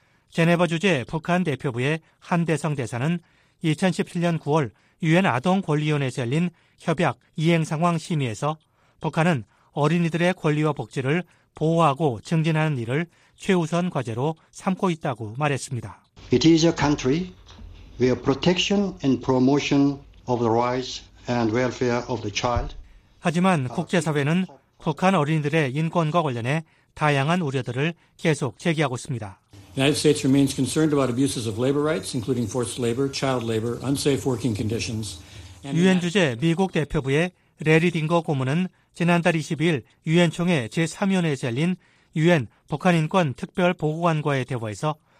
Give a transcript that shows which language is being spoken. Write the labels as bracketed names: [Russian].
[Korean] 제네바 주재 북한 대표부의 한대성 대사는 2017년 9월 유엔 아동권리위원회에서 열린 협약 이행상황 심의에서 북한은 어린이들의 권리와 복지를 보호하고 증진하는 일을 최우선 과제로 삼고 있다고 말했습니다. [English] It is a country where protection and promotion of the rights and welfare of the child. [Korean] 하지만 국제사회는 북한 어린이들의 인권과 관련해 다양한 우려들을 계속 제기하고 있습니다. [English] United States remains concerned about abuses of labor rights, including forced labor, child labor, unsafe working conditions. [Korean] 유엔 주재 미국 대표부의 레리 딩거 고문은 지난달 22일 유엔 총회 제3위원회에서 열린 유엔 북한인권 특별 보고관과의 대화에서